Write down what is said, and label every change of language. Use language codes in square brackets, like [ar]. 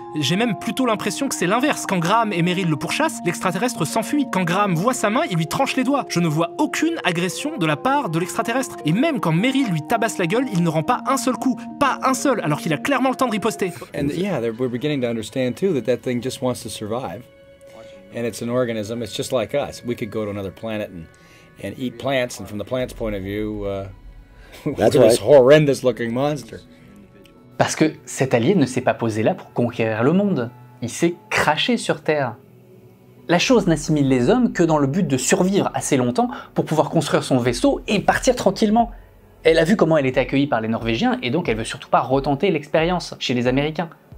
[fr] J'ai même plutôt l'impression que c'est l'inverse. Quand Graham et Meryl le pourchassent, l'extraterrestre s'enfuit. Quand Graham voit sa main, il lui tranche les doigts. Je ne vois aucune agression de la part de l'extraterrestre. Et même quand Meryl lui tabasse la gueule, il ne rend pas un seul coup. Pas un seul, alors qu'il a clairement le temps de riposter. Et oui, nous commençons à comprendre aussi que cette chose veut juste survivre. [en] And it's an organism, it's just like us. We could go to another planet and eat plants, and from the plant's point of view, that's this horrendous looking monster. [fr] Parce que cet alien ne s'est pas posé là pour conquérir le monde. Il s'est craché sur Terre. La chose n'assimile les hommes que dans le but de survivre assez longtemps pour pouvoir construire son vaisseau et partir tranquillement. Elle a vu comment elle était accueillie par les Norvégiens, et donc elle veut surtout pas retenter l'expérience chez les Américains.